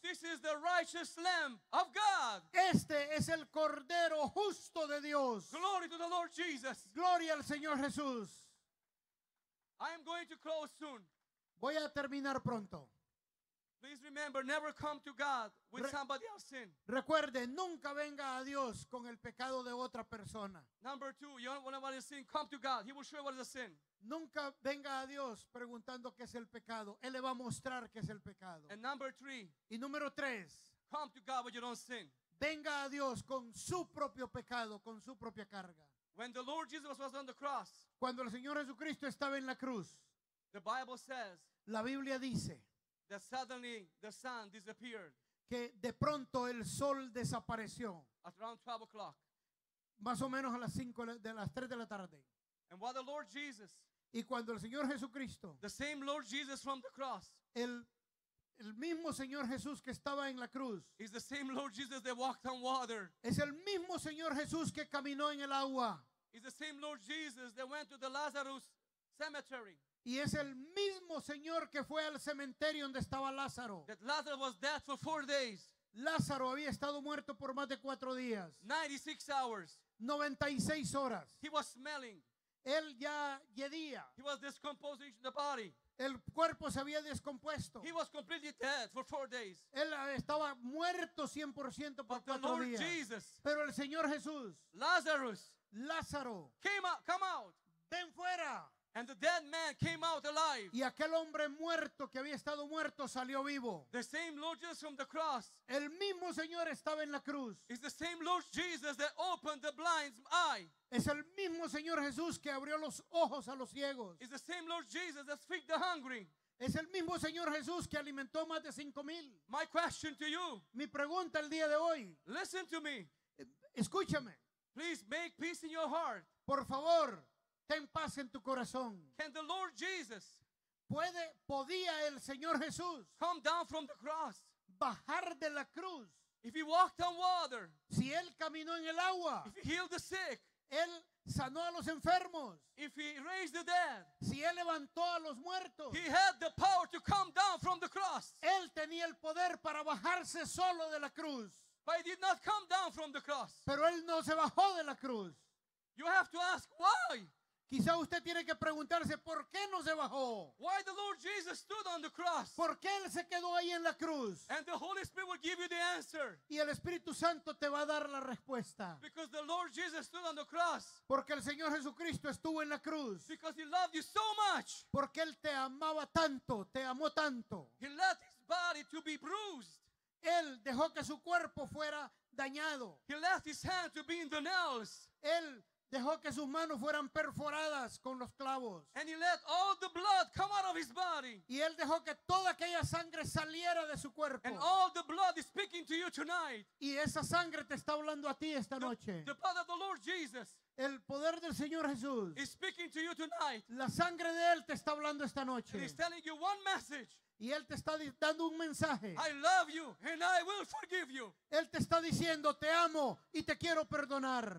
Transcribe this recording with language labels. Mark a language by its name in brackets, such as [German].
[English] This is the righteous Lamb of God. [Spanish] Este es el Cordero Justo de Dios. [English] Glory to the Lord Jesus. [Spanish] Gloria al Señor Jesús. [English] I am going to close soon. [Spanish] Voy a terminar pronto. [English] Please remember, never come to God with somebody else's sin. [Spanish] Recuerde, nunca venga a Dios con el pecado de otra persona. [English] Number two, you don't want to sin, come to God. He will show you what is the sin. [Spanish] Nunca venga a Dios preguntando qué es el pecado. Él le va a mostrar qué es el pecado. [English] And number three. [Spanish] Y número tres. [English] Come to God with your own sin. [Spanish] Venga a Dios con su propio pecado, con su propia carga. [English] When the Lord Jesus was on the cross. [Spanish] Cuando el Señor Jesucristo estaba en la cruz. [English] The Bible says. [Spanish] La Biblia dice. [English] That suddenly the sun disappeared. [Spanish] Que de pronto el sol desapareció. [English] At around 12 o'clock. [Spanish] Más o menos a las 5 de las 3 de la tarde. [English] And while the Lord Jesus. [Spanish] Y cuando el Señor Jesucristo. [English] The same Lord Jesus from the cross. [Spanish] El mismo Señor Jesús que estaba en la cruz. [English] Is the same Lord Jesus that walked on water. [Spanish] Es el mismo Señor Jesús que caminó en el agua. [English] Is the same Lord Jesus that went to the Lazarus cemetery. [Spanish] Y es el mismo Señor que fue al cementerio donde estaba Lázaro. [English] That Lazarus was dead for 4 days. [Spanish] Lázaro había estado muerto por más de 4 días. [English] 96 hours. [Spanish] 96 horas. [English] He was smelling. [Spanish] Él ya hedía. [English] He was decomposing the body. [Spanish] El cuerpo se había descompuesto. [English] He was completely dead for 4 days. [Spanish] Él estaba muerto 100% por 4 días. [English] Jesus, [Spanish] pero el Señor Jesús. [English] Lazarus. [Spanish] Lázaro. [English] Came out, come out. [Spanish] Ven fuera. [English] And the dead man came out alive. [Spanish] Y aquel hombre muerto que había estado muerto salió vivo. [English] The same Lord Jesus from the cross. [Spanish] El mismo Señor estaba en la cruz. [English] It's the same Lord Jesus that opened the blind's eye. [Spanish] Es el mismo Señor Jesús que abrió los ojos a los ciegos. [English] It's the same Lord Jesus that fed the hungry. [Spanish] Es el mismo Señor Jesús que alimentó más de 5,000. [English] My question to you. [Spanish] Mi pregunta el día de hoy. [English] Listen to me. [Spanish] Escúchame. [English] Please make peace in your heart. [Spanish] Por favor. Ten paz en tu corazón. [English] Can the Lord Jesus [Spanish] podía el Señor Jesús [English] come down from the cross? [Spanish] Bajar de la cruz. [English] If he walked on water. [Spanish] Si él caminó en el agua. [English] If he healed the sick. [Spanish] Él sanó a los enfermos. [English] If he raised the dead. [Spanish] Si él levantó a los muertos. [English] He had the power to come down from the cross. [Spanish] Él tenía el poder para bajarse solo de la cruz. [English] But he did not come down from the cross. [Spanish] Pero él no se bajó de la cruz. [English] You have to ask why. [Spanish] Quizá usted tiene que preguntarse por qué no se bajó. [English] Why the Lord Jesus stood on the cross? [Spanish] ¿Por qué él se quedó ahí en la cruz? [English] And the Holy Spirit will give you the answer. [Spanish] Y el Espíritu Santo te va a dar la respuesta. [English] Because the Lord Jesus stood on the cross. [Spanish] Porque el Señor Jesucristo estuvo en la cruz. [English] Because he loved you so much. [Spanish] Porque él te amaba tanto, te amó tanto. [English] He let his body to be bruised. [Spanish] Él dejó que su cuerpo fuera dañado. [English] He left his hand to be in the nails. [Spanish] Él Dejó que sus manos fueran perforadas con los clavos. [English] And he let all the blood come out of his body. [Spanish] Y él dejó que toda aquella sangre saliera de su cuerpo. [English] And all the blood is speaking to you tonight. [Spanish] Y esa sangre te está hablando a ti esta noche. [English] The blood of the Lord Jesus. [Spanish] El poder del Señor Jesús. [English] Is speaking to you tonight. [Spanish] La sangre de él te está hablando esta noche. [English] And he's telling you one message. [Spanish] Y él te está dando un mensaje. [English] I love you and I will forgive you. [Spanish] Él te está diciendo, te amo y te quiero perdonar.